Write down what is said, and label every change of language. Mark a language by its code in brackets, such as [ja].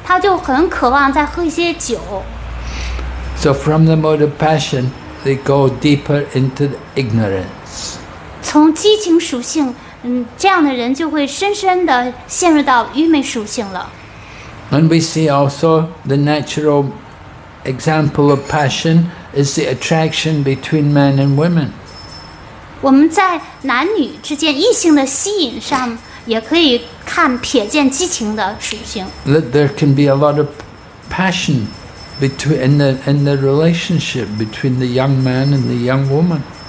[zh] 当人谁要是吃完那个肉之后呢，他就很渴望再喝一些酒。 [en] So from the mode of passion, they go deeper into the ignorance. [zh] 从激情属性，这样的人就会深深地陷入到愚昧属性了。 [en] And we see also the natural example of passion is the attraction between men and women. [zh] 我们在男女之间异性的吸引上，也可以看瞥见激情的属性。 [en] That there can be a lot of passion between in the relationship between the young man and the young woman.